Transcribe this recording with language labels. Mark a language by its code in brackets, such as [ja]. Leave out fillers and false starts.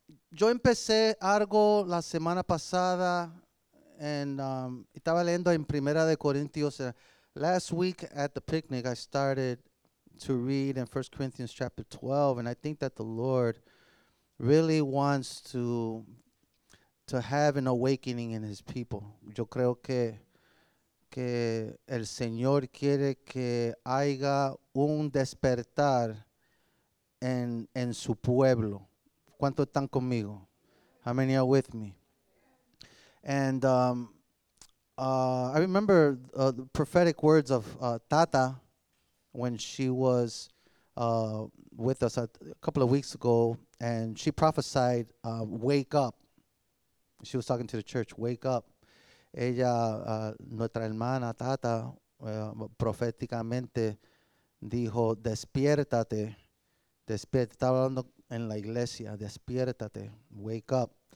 [es] Yo empecé algo la semana pasada en estaba leyendo en Primera de Corintios. [en] Last week at the picnic, I started to read in 1 Corinthians chapter 12, and I think that the Lord really wants to have an awakening in his people. [es] Yo creo que el Señor quiere que haya un despertar en su pueblo. ¿Cuántos están conmigo? [en] How many are with me? And I remember the prophetic words of Tata when she was with us a couple of weeks ago, and she prophesied, wake up. She was talking to the church, wake up. [es] Ella, nuestra hermana Tata, proféticamente dijo, despiértate, despierta. Estaba hablando en la iglesia, despiértate, [en] wake up.